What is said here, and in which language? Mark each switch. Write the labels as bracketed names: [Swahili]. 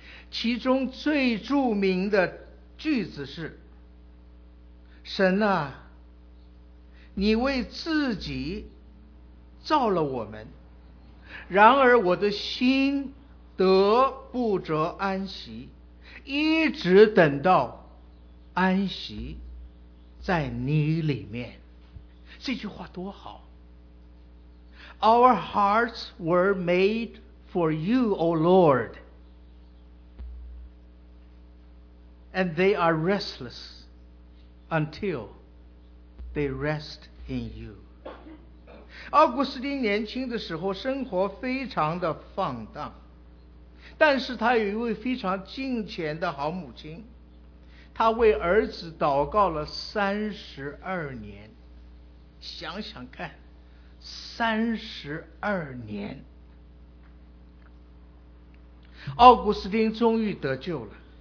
[Chinese] 其中最著名的句子是，神啊，你为自己造了我们，然而我的心得不着安息，一直等到安息在你里面。这句话多好。 [English] Our hearts were made for you, O Lord, and they are restless until they rest in you. [Chinese] 奥古斯丁年轻的时候生活非常的放荡，但是他有一位非常敬虔的好母亲，他为儿子祷告了32年。想想看，32年，奥古斯丁终于得救了。